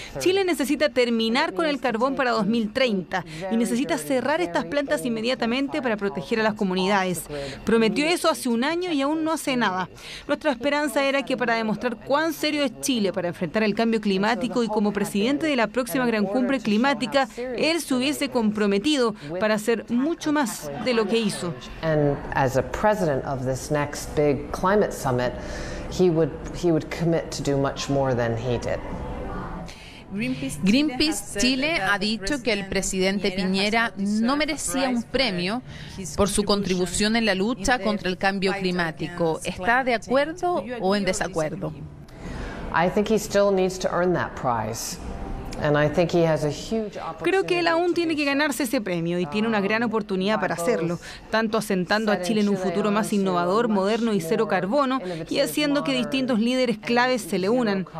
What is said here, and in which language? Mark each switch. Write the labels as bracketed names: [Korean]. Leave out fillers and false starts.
[Spanish] Chile necesita terminar con el carbón para 2030 y necesita cerrar estas plantas inmediatamente para proteger a las comunidades. Prometió eso hace un año y aún no hace nada. Nuestra esperanza era que para demostrar cuán serio es Chile para enfrentar el cambio climático y como presidente de la próxima gran cumbre climática, él se hubiese comprometido para hacer mucho más de lo que hizo. [English] And as a president of this next big climate summit, he would commit to do much more than he did. [Spanish] Greenpeace Chile ha dicho que el presidente Piñera no merecía un premio por su contribución en la lucha contra el cambio climático. ¿Está de acuerdo o en desacuerdo? [English] I think he still needs to earn that prize. And I think he has a huge opportunity. [Spanish] Creo que él aún tiene que ganarse ese premio y tiene una gran oportunidad para hacerlo, tanto asentando a Chile en un futuro más innovador, moderno y cero carbono, y haciendo que distintos líderes claves se le unan.